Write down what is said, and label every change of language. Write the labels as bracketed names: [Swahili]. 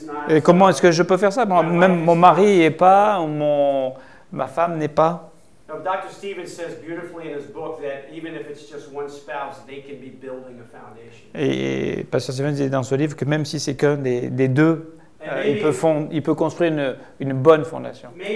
[French] Et comment est-ce que je peux faire ça? Même mon mari n'est pas, ma femme n'est pas. [English] Dr. Stevens says beautifully in his book that even if it's just one spouse, they can be building a foundation. [French] Et Pastor Stevens dit dans ce livre que même si c'est qu'un des deux, il peut construire une bonne fondation.